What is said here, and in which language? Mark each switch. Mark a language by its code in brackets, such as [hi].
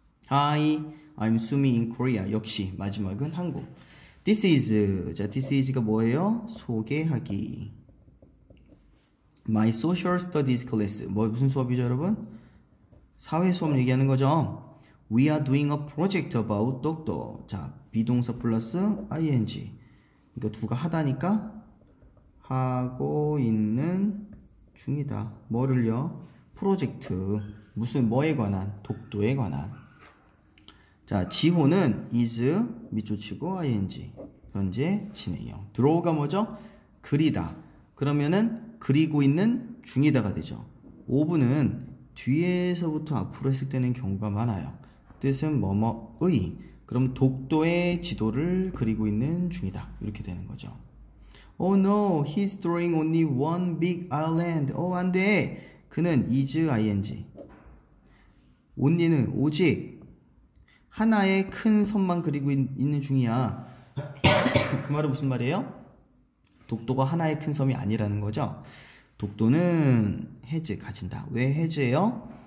[en] Hi, I'm Sumi in Korea. [ko] 역시 마지막은 한국. [en] This is. [ko] 자, this is가 뭐예요? 소개하기. [en] My social studies class. [ko] 뭐 무슨 수업이죠, 여러분? 사회 수업 얘기하는 거죠. [en] We are doing a project about 똑똑. [ko] 자, 비동사 플러스 ing. 그러니까 누가 하다니까? 하고 있는 중이다. 뭐를요? 프로젝트. 무슨 뭐에 관한? 독도에 관한. 자, 지호는 is 밑줄치고 ing. 현재 진행형. draw가 뭐죠? 그리다. 그러면은 그리고 있는 중이다가 되죠. 5분은 뒤에서부터 앞으로 해석되는 경우가 많아요. 뜻은 뭐뭐의. 그럼 독도의 지도를 그리고 있는 중이다. 이렇게 되는 거죠. [en] Oh no, he's drawing only one big island. [ko] 어, 안 돼. 그는 is ing. only는 오직 하나의 큰 섬만 그리고 있는 중이야. 그 말은 무슨 말이에요? 독도가 하나의 큰 섬이 아니라는 거죠. 독도는 해즈 가진다. 왜 해즈예요?